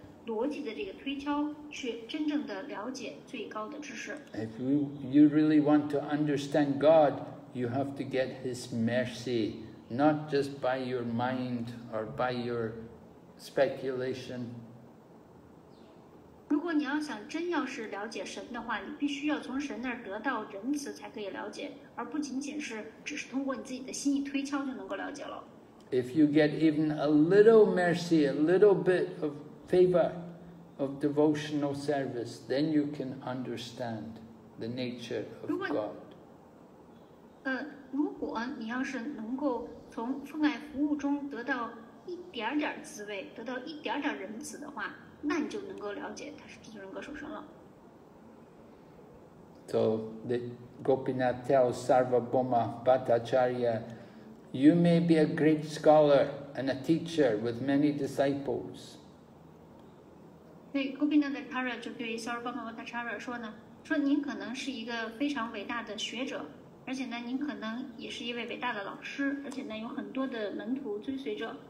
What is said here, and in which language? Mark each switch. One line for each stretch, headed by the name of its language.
English: If you really want to understand God, you have to get His mercy, not just by your mind or by your speculation.
Chinese: 如果你要想真要是了解神的话，你必须要从神那儿得到仁慈才可以了解，而不仅仅是只是通过你自己的心意推敲就能够了解了。
English: If you get even a little mercy, a little bit of favor, of devotional service, then you can understand the nature of God.
Chinese: 如果你要是能够从奉爱服务中得到一点点滋味，得到一点点仁慈的话，那你就能够了解他是地藏人格受身了。
English: So the Gopinath tells Sarvabhauma Bhattacharya, you may be a great scholar and a teacher with many disciples.
Chinese: 对 Gopinath Acharya 就对 Sarvabhauma Bhattacharya 说呢，说您可能是一个非常伟大的学者，而且呢，您可能也是一位伟大的老师，而且呢，有很多的门徒追随者。